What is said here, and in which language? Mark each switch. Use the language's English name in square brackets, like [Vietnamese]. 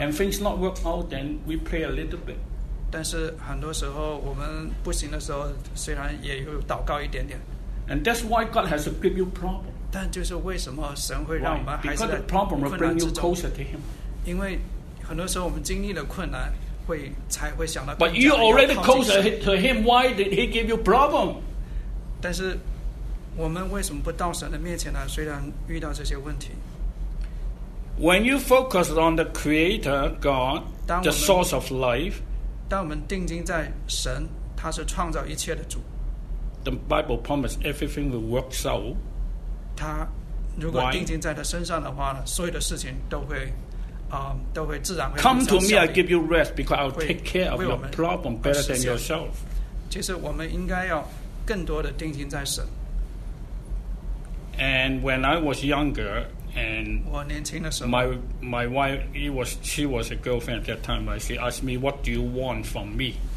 [English] And things not work out, then we pray a little bit. [Chinese] 但是很多时候我们不行的时候，虽然也有祷告一点点。 [English] And that's why God has to give you problem. [Chinese] 但就是为什么神会让我们还是在困难之中？ [English] Because the problem will bring you closer to Him. [Chinese] 因为很多时候我们经历了困难，才会想到。 [English] But you already closer to Him. Why did He give you problem? [Chinese] 但是我们为什么不到神的面前呢？虽然遇到这些问题。 [English] When you focus on the Creator God, the source of life. [Chinese] 当我们定睛在神，他是创造一切的主。 [English] The Bible promises everything will work out. [Chinese] 他如果定睛在他身上的话呢，所有的事情都会，都会自然会。 [English] Come to me, I give you rest, because I'll take care of your problem better than yourself. [Chinese] 其实我们应该要更多的定睛在神。 [English] And when I was younger. And my wife, she was a girlfriend at that time. She asked me, "What do you want from me?"